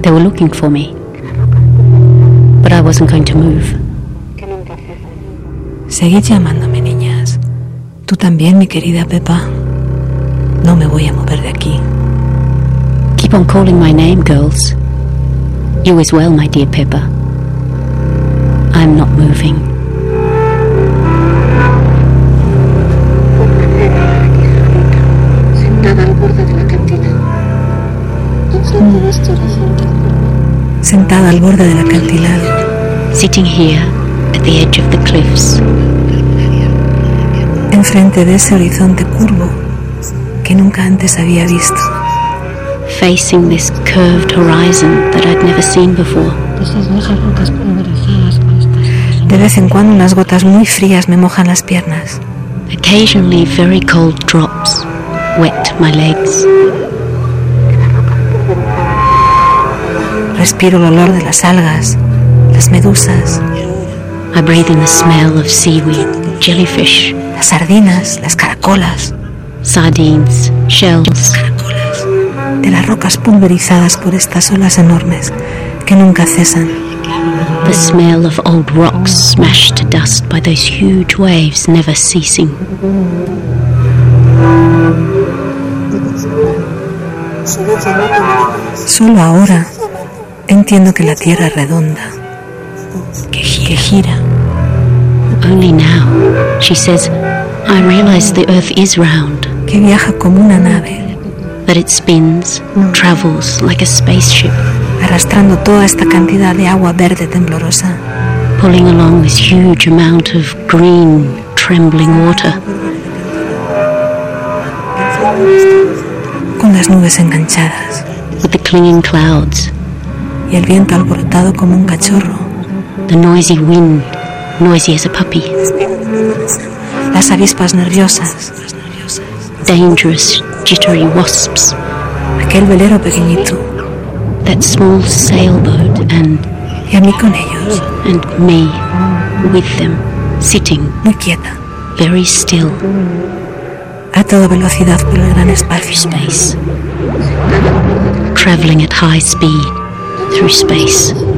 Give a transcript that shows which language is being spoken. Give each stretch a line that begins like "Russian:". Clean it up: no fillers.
English: They were looking for me. But I wasn't going to move.
Spanish: Seguid llamándome, niñas. Tú también, mi querida Peppa. No me voy a mover de aquí.
English: Keep on calling my name, girls. You as well, my dear Peppa. I'm not moving.
Spanish: Sentada al borde del acantilado.
English: Sitting here at the edge of the cliffs.
Spanish: Enfrente de ese horizonte curvo que nunca antes había visto.
English: Facing this curved horizon that I'd never seen before.
Spanish: De vez en cuando unas gotas muy frías me mojan las piernas.
English: Occasionally very cold drops wet my legs.
Spanish: Respiro el olor de las algas, las medusas.
English: I breathe in the smell of seaweed, jellyfish.
Spanish: Las sardinas, las caracolas.
English: Sardines, shells.
Spanish: Caracolas. De las rocas pulverizadas por estas olas enormes que nunca cesan.
English: The smell of old rocks smashed to dust by those huge waves never ceasing.
Spanish: Solo ahora entiendo que la tierra es redonda, que gira.
English: Only now, she says, I realize the earth is round.
Spanish: Que viaja como una nave.
English: That it spins, travels like a spaceship.
Spanish: Arrastrando toda esta cantidad de agua verde temblorosa.
English: Pulling along this huge amount of green, trembling water.
Spanish: Con las nubes enganchadas.
English: With the clinging clouds.
Spanish: Y el viento alborotado como un cachorro.
English: The noisy wind, noisy as a puppy.
Spanish: Las avispas nerviosas.
English: Dangerous, jittery wasps.
Spanish: Aquel velero pequeñito.
English: That small sailboat and...
Spanish: Y a mí con ellos.
English: And me, with them, sitting.
Spanish: Muy quieta.
English: Very still.
Spanish: A toda velocidad por el gran espacio.
English: Space. Traveling at high speed, through space.